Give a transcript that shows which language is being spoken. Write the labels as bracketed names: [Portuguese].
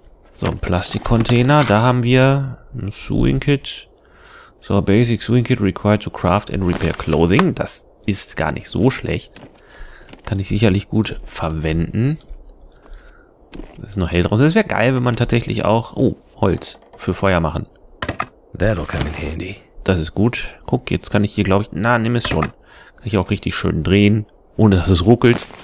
[German] So, ein Plastikcontainer. Da haben wir ein Sewing Kit. [English] So, Basic Sewing Kit required to craft and repair clothing. [German] Das ist gar nicht so schlecht. Kann ich sicherlich gut verwenden. Das ist noch hell draußen. Das wäre geil, wenn man tatsächlich auch... Oh, Holz für Feuer machen. [English] That'll come in handy. [German] Das ist gut. Guck, jetzt kann ich hier, glaube ich... Na, nimm es schon. Kann ich auch richtig schön drehen, ohne dass es ruckelt.